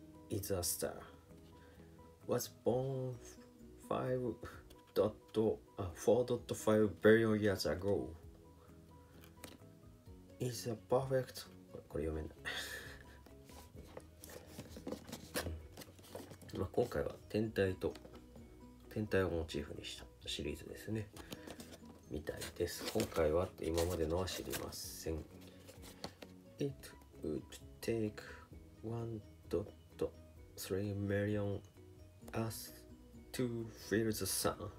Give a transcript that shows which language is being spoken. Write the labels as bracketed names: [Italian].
[English] It's a star was born 4.5 billion years ago. It's a perfect、 [Japanese] これ読めない。まあ、今回は天体をモチーフにしたシリーズですね、みたいです。今回はって今までのは知りません。 [English] It would take 1.3 million Earth to fill the sun。